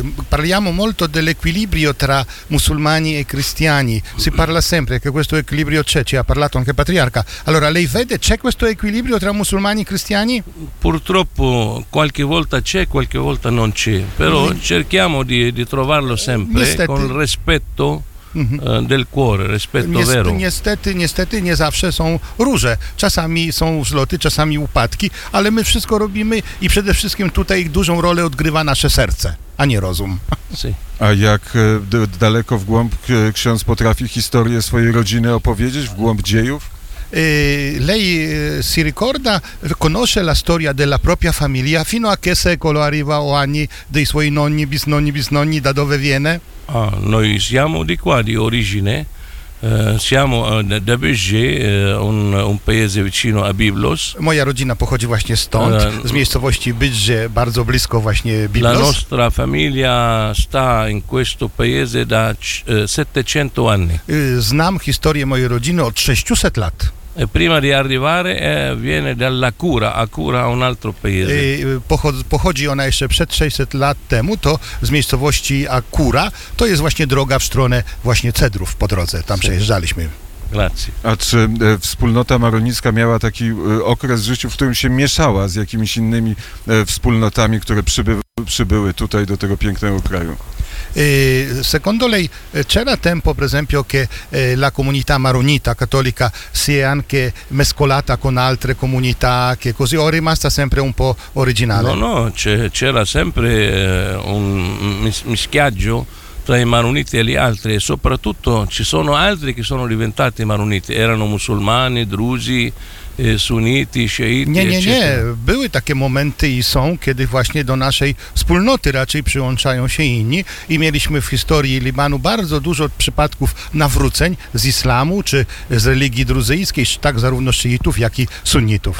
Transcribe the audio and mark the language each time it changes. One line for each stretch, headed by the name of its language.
Italian: Parliamo molto dell'equilibrio tra musulmani e cristiani, si parla sempre che questo equilibrio c'è, ci ha parlato anche Patriarca. Allora lei vede, c'è questo equilibrio tra musulmani e cristiani? Purtroppo qualche volta c'è, qualche volta non c'è, però cerchiamo di trovarlo sempre con rispetto. Del cuore, rispetto vero.
Polish: Niestety nie zawsze są róże. Czasami są wzloty, czasami upadki, ale my wszystko robimy i przede wszystkim tutaj dużą rolę odgrywa nasze serce, a nie rozum.
Italian: Si.
Polish: A jak daleko w głąb ksiądz potrafi historię swojej rodziny opowiedzieć, w głąb dziejów?
Italian: Lei si ricorda, conosce la storia della propria famiglia, fino a che secolo arriva o anni dei suoi nonni, bisnonni, bisnonni, da dove viene? Ah, noi siamo di qua, di origine, siamo da Beggé, un paese vicino a Biblos.
Polish: Moja rodzina pochodzi właśnie stąd, z miejscowości Beggé, bardzo blisko właśnie Biblos.
Italian: La nostra famiglia sta in questo paese da 700 anni.
Polish: Znam historię mojej rodziny od 600 lat.
Italian: E prima di arrivare viene dalla cura, a cura un altro paese.
Polish: Pochodzi ona jeszcze przed 600 lat temu, to z miejscowości Akura, to jest właśnie droga w stronę właśnie cedrów po drodze, tam przejeżdżaliśmy.
Italian: Grazie.
Polish: A czy wspólnota maronicka miała taki okres w życiu, w którym się mieszała z jakimiś innymi wspólnotami, które przybyły tutaj do tego pięknego kraju?
Italian: Secondo lei c'era tempo, per esempio, che la comunità maronita cattolica si è anche mescolata con altre comunità, che così o è rimasta sempre un po' originale? No, no, c'era sempre un mischiaggio tra i maroniti e gli altri, e soprattutto ci sono altri che sono diventati maroniti, erano musulmani, drusi, sunniti, sciiti, eccetera.
Polish: Nie, były takie momenty i są, kiedy właśnie do naszej wspólnoty raczej przyłączają się inni i mieliśmy w historii Libanu bardzo dużo przypadków nawróceń z islamu czy z religii druzyjskiej, tak zarówno szyitów, jak i sunnitów.